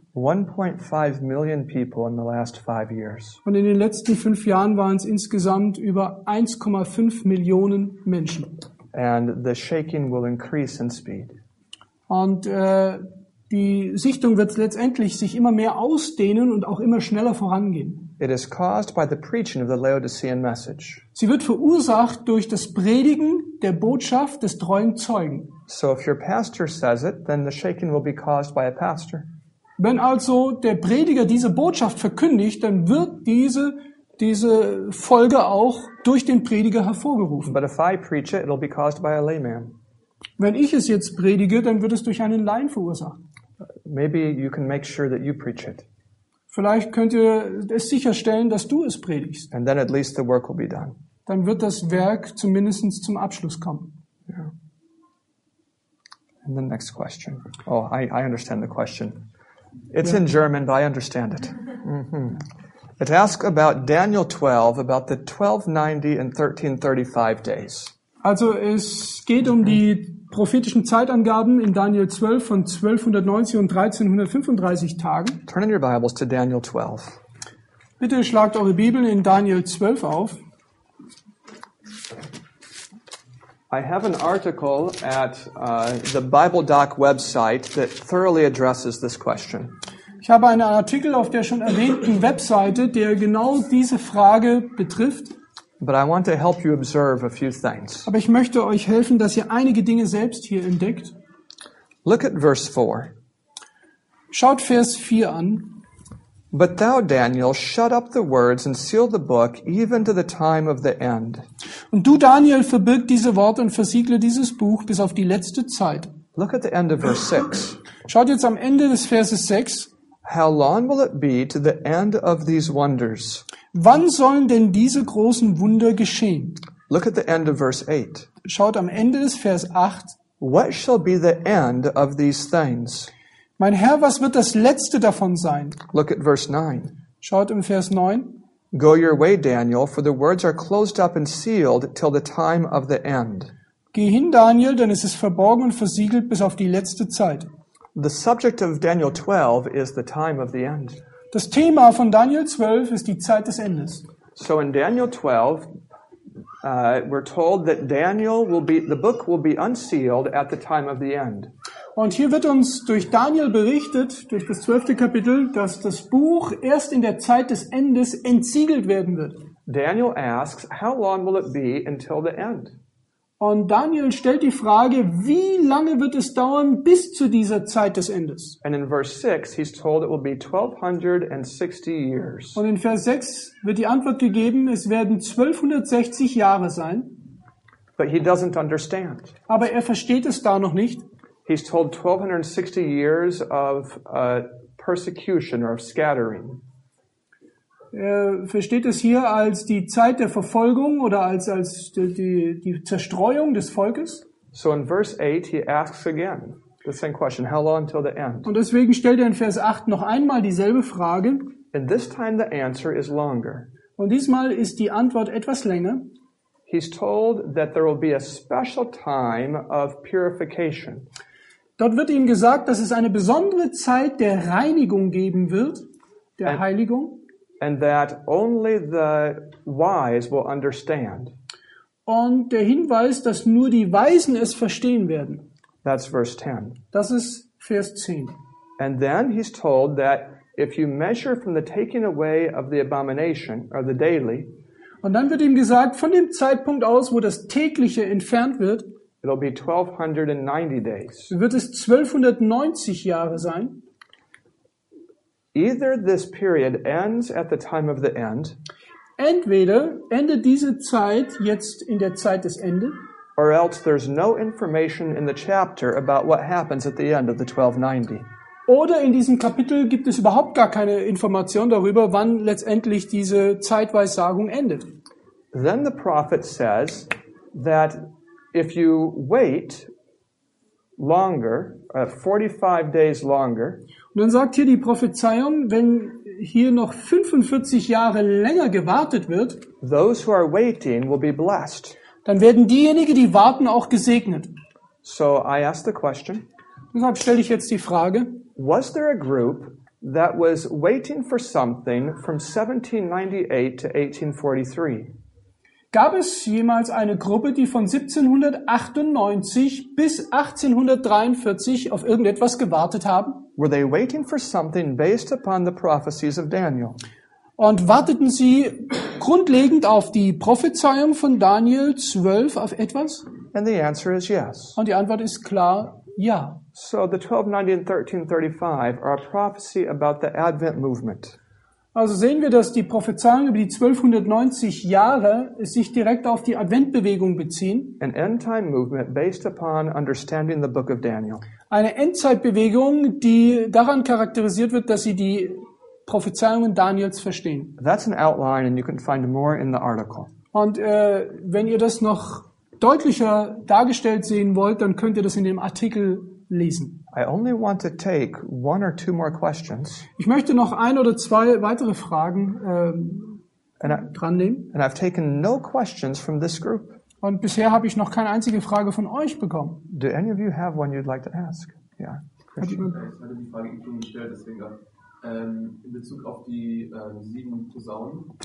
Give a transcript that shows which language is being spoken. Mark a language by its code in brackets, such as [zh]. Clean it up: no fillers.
[en] 1.5 million people in the last 5 years. [de] Und in den letzten 5 Jahren waren es insgesamt über 1,5 Millionen Menschen. [en] And the shaking will increase in speed. [de] Und die Sichtung wird letztendlich sich immer mehr ausdehnen und auch immer schneller vorangehen. [en] It is caused by the preaching of the Laodicean message. [de] Sie wird verursacht durch das Predigen der Botschaft des treuen Zeugen. [en] So if your pastor says it, then the shaking will be caused by a pastor. [de] Wenn also der Prediger diese Botschaft verkündigt, dann wird diese Folge auch durch den Prediger hervorgerufen. [en] But if I preach it, it'll be caused by a layman. [de] Wenn ich es jetzt predige, dann wird es durch einen Laien verursacht. [en] Maybe you can make sure that you preach it. [de] Vielleicht könnt ihr es sicherstellen, dass du es predigst. [en] And then at least the work will be done. [de] Dann wird das Werk zumindest zum Abschluss kommen. [en] Yeah. And the next question. Oh, I understand the question. It's in German, but I understand it. Mm-hmm. It asks about Daniel 12, about the 1290 and 1335 days. [de] Also es geht um die prophetischen Zeitangaben in Daniel 12 von 1290 und 1335 Tagen. [en] Turn in your Bibles to Daniel 12. [de] Bitte schlagt eure Bibeln in Daniel 12 auf. [en] I have an article at the Bible Doc website that thoroughly addresses this question. [de] Ich habe einen Artikel auf der schon erwähnten Webseite, der genau diese Frage betrifft. [en] But I want to help you observe a few things. [de] Aber ich möchte euch helfen, dass ihr einige Dinge selbst hier entdeckt. [en] Look at verse 4. [de] Schaut Vers 4 an. [en] But thou, Daniel, shut up the words and seal the book even to the time of the end. [de] Und du, Daniel, verbirg diese Worte und versiegle dieses Buch bis auf die letzte Zeit. [en] Look at the end of verse 6. [de] Schaut jetzt am Ende des Verses 6. [en] How long will it be to the end of these wonders? [de] Wann sollen denn diese großen Wunder geschehen? [en] Look at the end of verse 8. [de] Schaut am Ende des Vers 8. [en] What shall be the end of these things? [de] Mein Herr, was wird das Letzte davon sein? [en] Look at verse 9. [de] Schaut im Vers 9. [en] Go your way, Daniel, for the words are closed up and sealed till the time of the end. [de] Geh hin, Daniel, denn es ist verborgen und versiegelt bis auf die letzte Zeit. [en] The subject of Daniel 12 is the time of the end. [de] Das Thema von Daniel 12 ist die Zeit des Endes. [en] So in Daniel 12 we're told that Daniel will be the book will be unsealed at the time of the end. [de] Und hier wird uns durch Daniel berichtet, durch das 12. Kapitel, dass das Buch erst in der Zeit des Endes entsiegelt werden wird. [en] Daniel asks, how long will it be until the end? [de] Und Daniel stellt die Frage, wie lange wird es dauern bis zu dieser Zeit des Endes? [en] And in verse 6 he's told it will be 1260 years. [de] Und in Vers 6 wird die Antwort gegeben, es werden 1260 Jahre sein. [en] But he doesn't understand. [de] Aber er versteht es da noch nicht. [en] He's told 1260 years of persecution or of scattering. [de] Er versteht es hier als die Zeit der Verfolgung oder als die Zerstreuung des Volkes. [en] So in verse 8 he asks again the same question, how long till the end? [de] Und deswegen stellt er in Vers 8 noch einmal dieselbe Frage. [en] And this time the answer is longer. [de] Und diesmal ist die Antwort etwas länger. [en] He's told that there will be a special time of purification. [de] Dort wird ihm gesagt, dass es eine besondere Zeit der Reinigung geben wird, der Heiligung. [en] And that only the wise will understand. [de] Und der Hinweis, dass nur die Weisen es verstehen werden. [en] That's verse 10. [de] Das ist Vers 10. [en] And then he's told that if you measure from the taking away of the abomination or the daily. [de] Und dann wird ihm gesagt, von dem Zeitpunkt aus, wo das tägliche entfernt wird, [en] it'll be 1290 days. [de] Wird es 1290 Jahre sein. [en] Either this period ends at the time of the end. [de] Entweder endet diese Zeit jetzt in der Zeit des Ende. [en] Or else there's no information in the chapter about what happens at the end of the 1290. [de] Oder in diesem Kapitel gibt es überhaupt gar keine Information darüber, wann letztendlich diese Zeitweissagung endet. [en] Then the prophet says that if you wait longer, 45 days longer. [de] Und dann sagt hier die Prophezeiung, wenn hier noch 45 Jahre länger gewartet wird, [en] those who are waiting will be blessed. [de] Dann werden diejenigen, die warten, auch gesegnet. [en] So I ask the question. [de] Deshalb stelle ich jetzt die Frage: [en] Was there a group that was waiting for something from 1798 to 1843? [de] Gab es jemals eine Gruppe, die von 1798 bis 1843 auf irgendetwas gewartet haben? [en] Were they waiting for something based upon the prophecies of Daniel? [de] Und warteten sie grundlegend auf die Prophezeiung von Daniel 12 auf etwas? [en] And the answer is yes. [de] Und die Antwort ist klar, ja. [en] So the 1290 and 1335 are a prophecy about the Advent movement. [de] Also sehen wir, dass die Prophezeiungen über die 1290 Jahre sich direkt auf die Adventbewegung beziehen. [en] An end-time movement based upon understanding the book of Daniel. [de] Eine Endzeitbewegung, die daran charakterisiert wird, dass sie die Prophezeiungen Daniels verstehen. [en] That's an outline and you can find more in the article. [de] Und wenn ihr das noch deutlicher dargestellt sehen wollt, dann könnt ihr das in dem Artikel lesen. [en] I only want to take one or two more questions. [de] Ich möchte noch ein oder zwei weitere Fragen dran nehmen. [en] And I've taken no questions from this group. [de] Und bisher habe ich noch keine einzige Frage von euch bekommen. [en] Do any of you have one you'd like to ask? Yeah. Christian. [de] Ich hatte die Frage eben schon gestellt, deswegen in Bezug auf die sieben Posaunen.